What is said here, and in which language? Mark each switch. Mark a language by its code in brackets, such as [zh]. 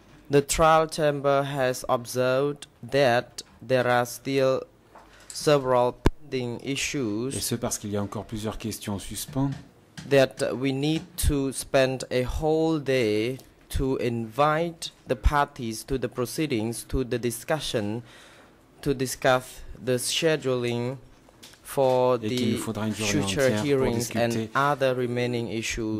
[en] The trial chamber has observed that there are still several pending issues. [fr] Et ce parce qu'il y a encore plusieurs questions en suspens. [en] That we need to spend a whole day to invite the parties to the proceedings, to the discussion, to discuss the scheduling for the future hearings and other remaining issues.